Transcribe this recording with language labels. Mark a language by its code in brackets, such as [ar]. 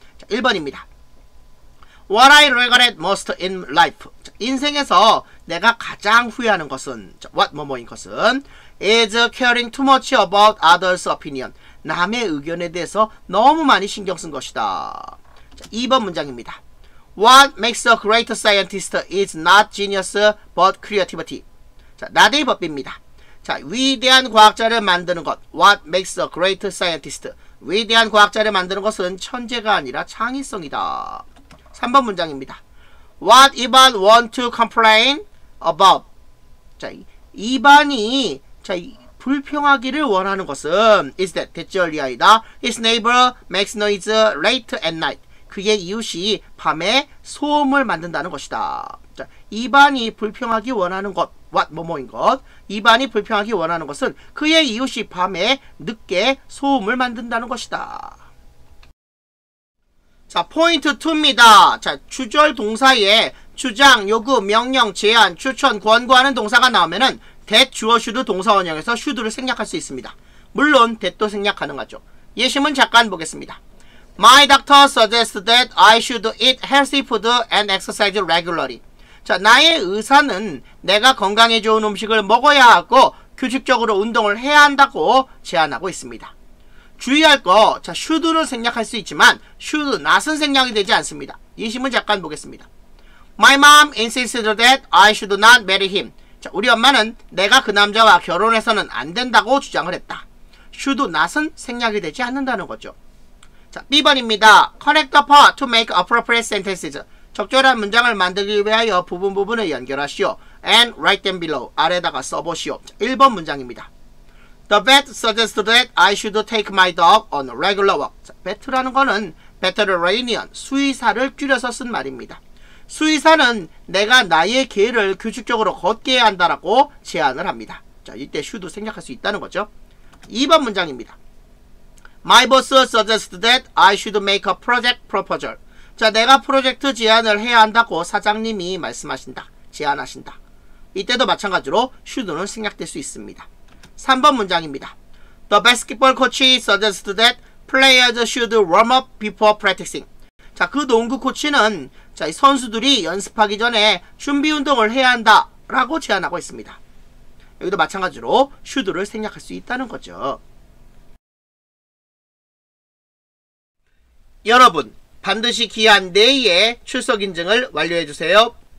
[ko] 자, 1번입니다. [en] What I regret most in life. [ko] 자, 인생에서 내가 가장 후회하는 것은 자, what 뭐뭐인 것은 [en] is caring too much about others' opinion. [ko] 남의 의견에 대해서 너무 많이 신경 쓴 것이다. 자, 2번 문장입니다. [en] What makes a great scientist is not genius but creativity. [ko] 자, 나대의 법입니다. 자, 위대한 과학자를 만드는 것 [en] what makes a great scientist. [ko] 위대한 과학자를 만드는 것은 천재가 아니라 창의성이다. 3번 문장입니다. [en] What Ivan want to complain about? [ko] 자, 이반이 자, 불평하기를 원하는 것은 [en] is that [ko] 대절리아이다. [en] His neighbor makes noise late at night. [ko] 그의 이웃이 밤에 소음을 만든다는 것이다. 자, 이반이 불평하기 원하는 것 what 뭐뭐인 것? 이반이 불평하기 원하는 것은 그의 이웃이 밤에 늦게 소음을 만든다는 것이다. 자, 포인트 2입니다. 자, 주절 동사에 주장, 요구, 명령, 제안, 추천, 권고하는 동사가 나오면은 that 주어 should 동사 원형에서 should를 생략할 수 있습니다. 물론 that도 생략 가능하죠. 예시문 잠깐 보겠습니다. [en] My doctor suggests that I should eat healthy food and exercise regularly. [ko] 자, 나의 의사는 내가 건강에 좋은 음식을 먹어야 하고 규칙적으로 운동을 해야 한다고 제안하고 있습니다. 주의할 거, 자, should는 생략할 수 있지만, should, not은 생략이 되지 않습니다. 예시문 잠깐 보겠습니다. [en] My mom insisted that I should not marry him. [ko] 자, 우리 엄마는 내가 그 남자와 결혼해서는 안 된다고 주장을 했다. should, not은 생략이 되지 않는다는 거죠. 자, B번입니다. [en] Connect the part to make appropriate sentences. [ko] 적절한 문장을 만들기 위하여 부분 부분을 연결하시오. [en] And write them below. [ko] 아래다가 써보시오. 자, 1번 문장입니다. [en] The vet suggested that I should take my dog on a regular walk. [ko] 자, vet라는 거는 veterinarian, 수의사를 줄여서 쓴 말입니다. 수의사는 내가 나의 개를 규칙적으로 걷게 해야 한다라고 제안을 합니다. 자, 이때 should 생략할 수 있다는 거죠. 2번 문장입니다. [en] My boss suggested that I should make a project proposal. [ko] 자, 내가 프로젝트 제안을 해야 한다고 사장님이 말씀하신다. 제안하신다. 이때도 마찬가지로 should는 생략될 수 있습니다. 3번 문장입니다. [en] The basketball coach suggested that players should warm up before practicing. [ko] 자, 그 농구 코치는 자, 선수들이 연습하기 전에 준비 운동을 해야 한다라고 제안하고 있습니다. 여기도 마찬가지로 should를 생략할 수 있다는 거죠. 여러분, 반드시 기한 내에 출석 인증을 완료해 주세요.